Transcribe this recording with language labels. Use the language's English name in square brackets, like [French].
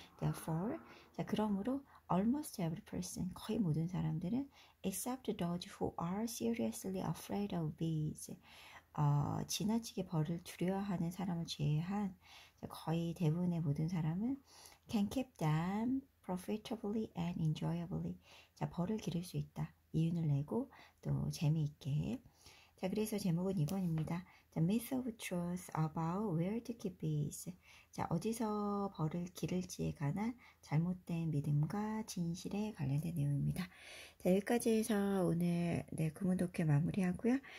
[English] Therefore, [Korean] 자, 그러므로 [English] almost every person, [Korean] 거의 모든 사람들은 [English] except those who are seriously afraid of bees, [Korean] 지나치게 벌을 두려워하는 사람을 제외한 거의 대부분의 모든 사람은 [English] can keep them profitably and enjoyably. [Korean] 자, 벌을 기를 수 있다. 이윤을 내고 또 재미있게. 자, 그래서 제목은 2번입니다. [English] The myth of truth about where to keep bees. [Korean] 자, 어디서 벌을 기를지에 관한 잘못된 믿음과 진실에 관련된 내용입니다. 자, 여기까지 해서 오늘 네, 구문 독해 마무리하고요.